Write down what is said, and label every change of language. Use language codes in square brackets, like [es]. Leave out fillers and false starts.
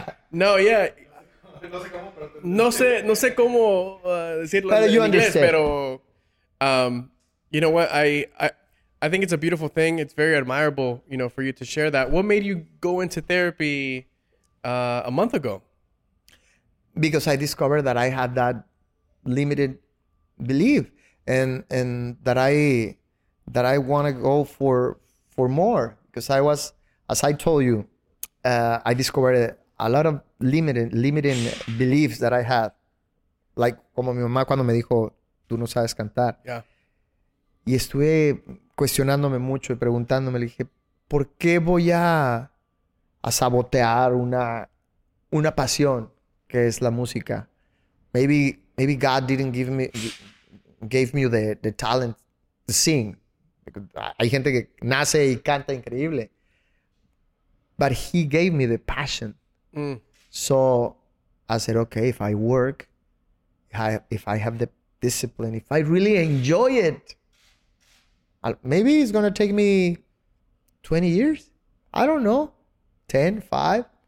[es] No, No sé cómo decirlo en inglés, pero [en] you know what, I think it's a beautiful thing. It's very admirable, you know, for you to share that. What made you go into therapy a month ago? Because I discovered that I had that limited belief and that I want to go for more, because I was, as I told you, I discovered a lot of limiting beliefs that I had. Like, [es] como mi mamá cuando me dijo, tú no sabes cantar. [en] Yeah. [es] Y estuve cuestionándome mucho y preguntándome, le dije, ¿por qué voy a sabotear una pasión que es la música? [en] Maybe God didn't gave me the talent to sing. [es] Hay gente que nace y canta increíble. [en] But he gave me the passion. Mm. So I said, okay, if I work, if I have the discipline, if I really enjoy it, maybe it's going to take me 20 years. I don't know. 10, 5.